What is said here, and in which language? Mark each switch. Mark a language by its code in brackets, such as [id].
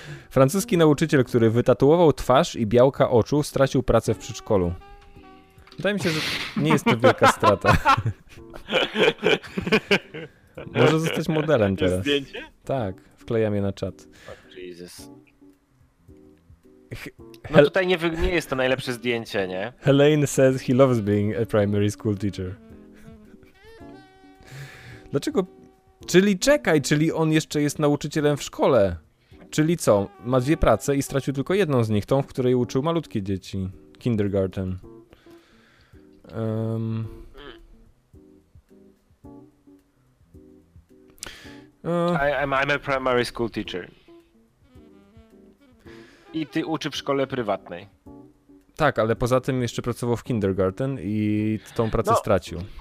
[pl] Francuski nauczyciel, który wytatuował twarz i białka oczu, stracił pracę w przedszkolu. Wydaje mi się, że nie jest to wielka strata. Może zostać modelem teraz. Zdjęcie? Tak, wklejam je na czat. [en] Oh, Jesus. [pl] Tutaj nie jest to najlepsze zdjęcie, nie? [en] Helene says he loves being a primary school teacher. [pl] Dlaczego? Czyli on jeszcze jest nauczycielem w szkole? Czyli co? Ma dwie prace i stracił tylko jedną z nich, tą, w której uczył malutkie dzieci. [en] Kindergarten. I'm a primary school teacher. [pl] I ty uczy w szkole prywatnej. Tak, ale poza tym jeszcze pracował w kindergarten i tą pracę stracił.